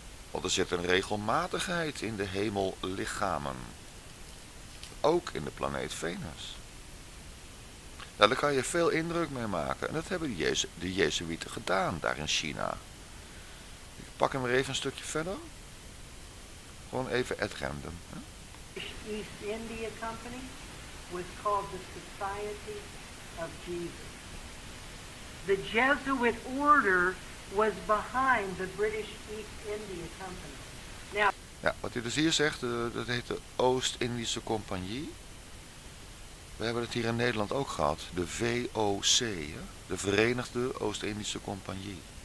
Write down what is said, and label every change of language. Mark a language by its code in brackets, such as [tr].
[nl] Want er zit een regelmatigheid in de hemellichamen. Ook in de planeet Venus. Nou, daar kan je veel indruk mee maken. En dat hebben de Jezuïeten gedaan daar in China. Ik pak hem er even een stukje verder. Gewoon even at random. Hè? [en] East India Company was called the Society of Jesus. The Jesuit order was behind the British East India Company. Now, [nl] ja, wat hij dus hier zegt, dat heet de Oost-Indische Compagnie. We hebben het hier in Nederland ook gehad, de VOC, de Verenigde Oost-Indische Compagnie.